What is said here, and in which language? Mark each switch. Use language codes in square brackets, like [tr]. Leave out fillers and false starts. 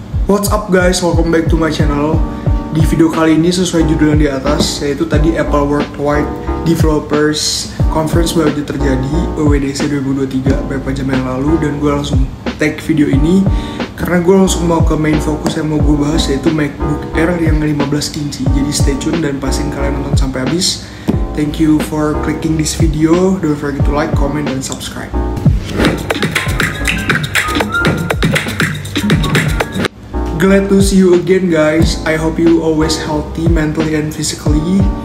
[en] What's up guys, welcome back to my channel. [id] Di video kali ini sesuai judul yang di atas, yaitu tadi Apple Worldwide Developers Conference baru aja terjadi, WWDC 2023 beberapa jam yang lalu, dan gue langsung take video ini karena gue langsung mau ke main focus yang mau gue bahas, yaitu MacBook Air yang 15 inci. Jadi stay tune dan pasin kalian nonton sampai habis. [en] Thank you for clicking this video, don't forget to like, comment, dan subscribe. Glad to see you again guys, I hope you always healthy mentally and physically.